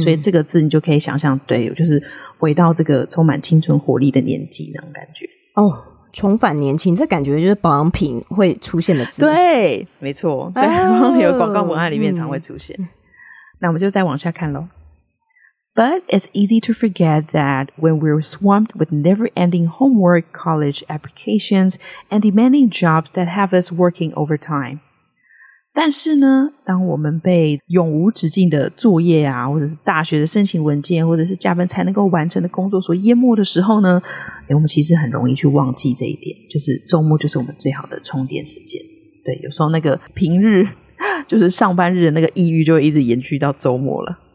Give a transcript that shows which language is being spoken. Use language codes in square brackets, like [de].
[zh] 所以这个字你就可以想象，对，就是回到这个充满青春活力的年纪那种感觉哦，重返年轻，这感觉就是保养品会出现的字，对，没错，对，保养品广告文案里面常会出现，嗯，那我们就再往下看咯。 [en] But it's easy to forget that when we're swamped with never-ending homework, college applications, and demanding jobs that have us working overtime. [zh] 但是呢，当我们被永无止境的作业啊，或者是大学的申请文件，或者是加班才能够完成的工作所淹没的时候呢，我们其实很容易去忘记这一点，就是周末就是我们最好的充电时间。对，有时候那个平日，就是上班日的那个抑郁就会一直延续到周末了。